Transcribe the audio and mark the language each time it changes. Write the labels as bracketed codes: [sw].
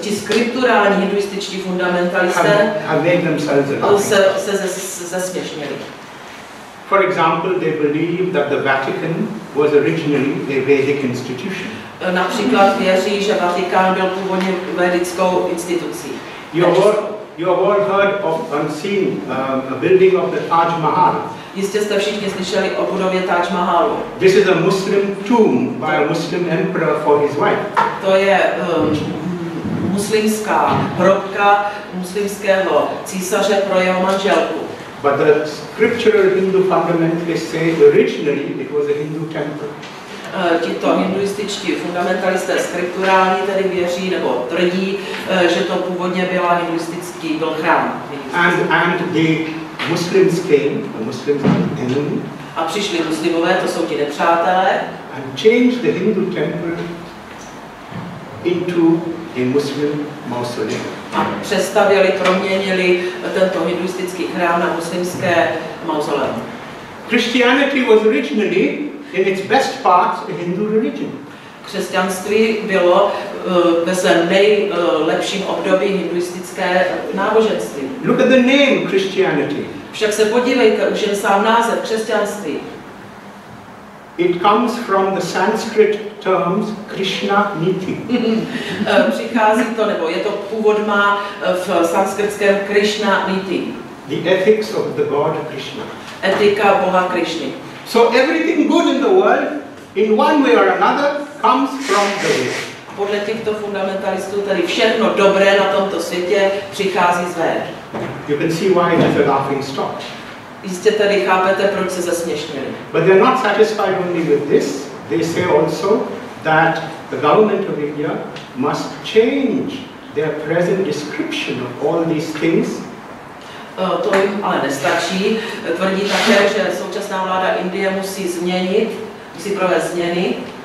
[cs] ti skripturální hinduističtí fundamentalisté, [en] have made themselves a [cs] zesměšněli. [en] For example, they believe that the Vatican was originally a Vedic institution. [cs] Například věří, že Vatikán byl původně vedickou institucí. [en] You have all heard of and seen a building of the Taj Mahal. [cs] Jistě jste všichni slyšeli o budově Taj Mahalu. [en] This is a Muslim tomb by a Muslim emperor for his wife. [cs] To je muslimská hrobka muslimského císaře pro jeho manželku. [en] But the scriptural Hindu fundamentalists say originally it was a Hindu temple. [cs] Tito hinduističtí fundamentalisté skripturální tedy věří nebo tvrdí, že to původně byla hinduistický byl chrám. [en] And the Muslims came, the Muslims are the enemy. [cs] A přišli muslimové, to jsou ti nepřátelé. [en] And changed the Hindu temple into a Muslim mausoleum. [cs] A přestavěli, proměnili tento hinduistický chrám na muslimské mausoleum. [en] Christianity was originally in its best parts a Hindu religion. [cs] Křesťanství bylo ve svém nejlepším období hinduistické náboženství. [en] Look at the name Christianity. [cs] Však se podívejte, už jen sám název křesťanství. [en] It comes from the Sanskrit terms Krishna Niti. [cs] Přichází to, nebo je to původ má v sanskritském Krishna Niti. [en] The ethics of the god Krishna. [cs] Etika Boha Krishny. [en] So everything good in the world, in one way or another, comes from the West. [cs] Podle těchto fundamentalistů tedy všechno dobré na tomto světě přichází z Vér. [en] You can see why it is a laughing stock. [cs] Jistě tedy chápete, proč se zasměšnili. [en] But they are not satisfied only with this. They say also that the government of India must change their present description of all these things. [cs] To jim ale nestačí. Tvrdí také, že současná vláda Indie musí změnit, musí provést změny.